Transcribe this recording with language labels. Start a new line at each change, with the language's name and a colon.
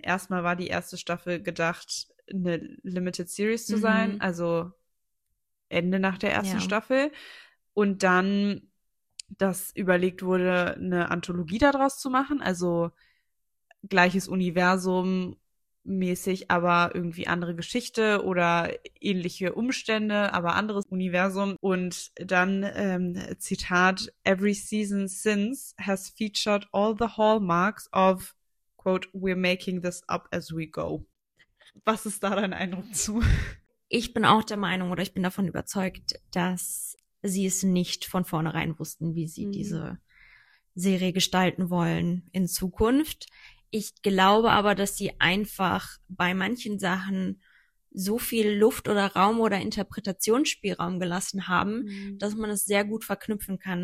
German: Erstmal war die erste Staffel gedacht, eine Limited Series zu sein, also Ende nach der ersten Staffel. Und dann, dass überlegt wurde, eine Anthologie daraus zu machen, also gleiches Universum mäßig, aber irgendwie andere Geschichte oder ähnliche Umstände, aber anderes Universum. Und dann, Zitat,
English: every season since has featured all the hallmarks of, quote, we're making this up as we go.
German: Was ist da dein Eindruck zu? Ich bin auch der Meinung oder ich bin davon überzeugt, dass sie es nicht von vornherein wussten, wie sie diese Serie gestalten wollen in Zukunft. Ich glaube aber, dass sie einfach bei manchen Sachen so viel Luft oder Raum oder Interpretationsspielraum gelassen haben, dass man es sehr gut verknüpfen kann.